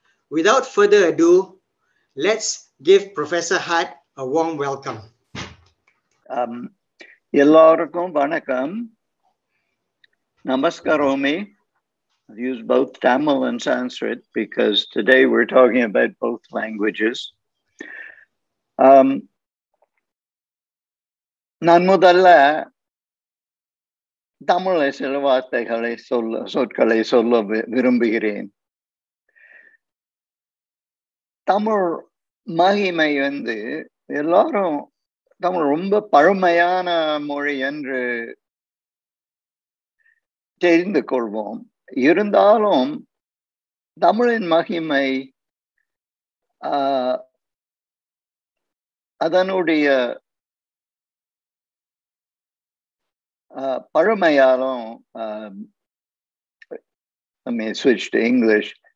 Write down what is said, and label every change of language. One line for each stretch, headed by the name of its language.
English: Without further ado, let's give Professor Hart a warm welcome.
Tamil: எல்லோருக்கும் வணக்கம். நமஸ்கரோமி.
English: I've used both Tamil and Sanskrit because today we're talking about both languages.
Tamil: நான் முதல்ல தமிழ் சில வார்த்தைகளை சொற்களை சொல்ல விரும்புகிறேன். தமிழ் மகிமை வந்து எல்லாரும் தமிழ் ரொம்ப பழமையான மொழி என்று தெரிந்து கொள்வோம். இருந்தாலும் தமிழின் மகிமை அதனுடைய பழமையாலும்
English: I mean, switch to English.